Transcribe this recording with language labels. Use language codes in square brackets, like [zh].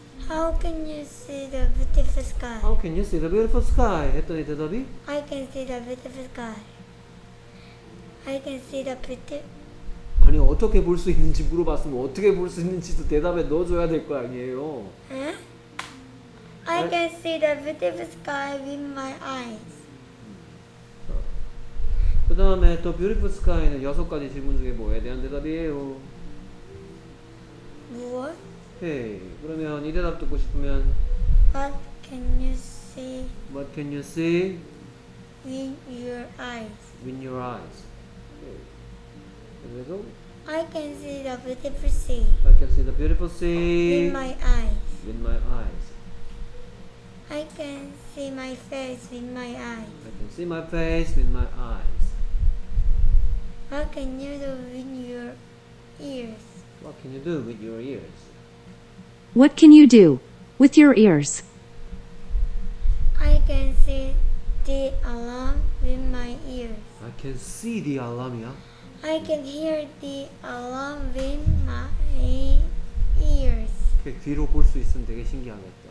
[en] How can you see the beautiful sky? How can you see the beautiful sky? [ko] 했더니 대답이 [en] I can see the beautiful sky. I can see the beautiful. [ko] 아니 어떻게 볼 수 있는지 물어봤으면 어떻게 볼 수 있는지도 대답에 넣어줘야 될 거 아니에요? [en] 에? I can see the beautiful sky with my eyes. [ko] 그 다음에 [en] the beautiful sky [ko] 는 여섯 가지 질문 중에 뭐에 대한 대답이에요? 무엇? 오케이. 그러면 이 대답 듣고 싶으면 [en] What can you see? What can you see? With your eyes. With your eyes. [ko] 그래서 [en] I can see the beautiful sea. I can see the beautiful sea. With my eyes. With my eyes. I can see my face with my eyes. I can see my face with my eyes. What can you do with your ears? What can you do with your ears? What can you do with your ears? I can see the alarm with my ears. I can see the alarm, yeah? I can hear the alarm with my ears. [ko] 이렇게 뒤로 볼 수 있으면 되게 신기하겠다.